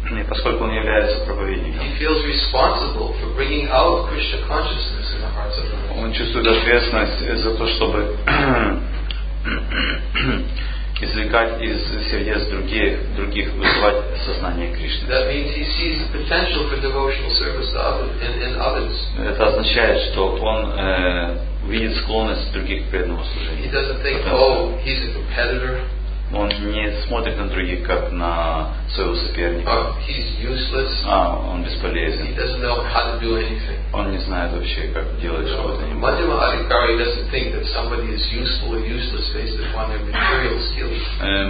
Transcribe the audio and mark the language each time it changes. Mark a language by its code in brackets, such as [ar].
[ru] И поскольку он является проповедником. [en] He feels responsible for bringing out Krishna consciousness in the hearts of others. [ru] Он чувствует ответственность за то, чтобы извлекать из сердец других вызывать сознание Кришны. [en] That means he sees the potential for devotional service in others. [ru] Это означает, что он видит склонность других к преданному служению. [en] He doesn't think, oh, he's a competitor. [ru] Он не смотрит на других как на своего соперника. [en] Oh, he's useless. [ru] А, он бесполезен. [en] He doesn't know how to do anything. [ru] Он не знает вообще, как делать что-то. [en] Мадхьяма Адхикари doesn't think that somebody is useful or useless based upon their material skills.